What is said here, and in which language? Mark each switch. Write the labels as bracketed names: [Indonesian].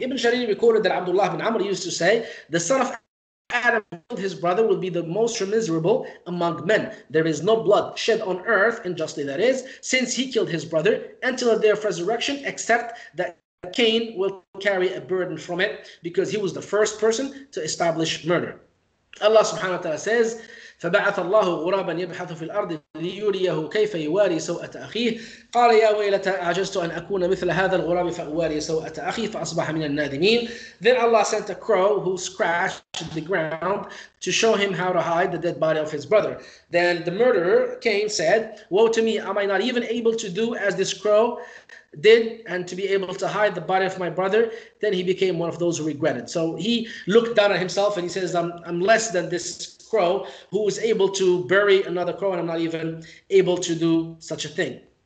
[English] Ibn Jarir recorded that Abdullah bin Amr used to say, the son of Adam killed his brother will be the most miserable among men. There is no blood shed on earth, unjustly that is, since he killed his brother, until the day of resurrection, except that Cain will carry a burden from it, because he was the first person to establish murder. Allah subhanahu wa ta'ala says, [Arabic] فبعث الله غرابا يبحث في الأرض ليريه كيف يواري سوءة أخيه قال يا ويلتى أعجزت أن أكون مثل هذا الغراب فأواري سوءة أخي فأصبح من النادمين. [English] Then Allah sent a crow who scratched the ground to show him how to hide the dead body of his brother. Then the murderer came, said, woe to me, am I not even able to do as this crow did and to be able to hide the body of my brother? Then he became one of those who regretted. So he looked down at himself and he says, I'm less than this crow who was able to bury another crow, and I'm not even able to do such a thing.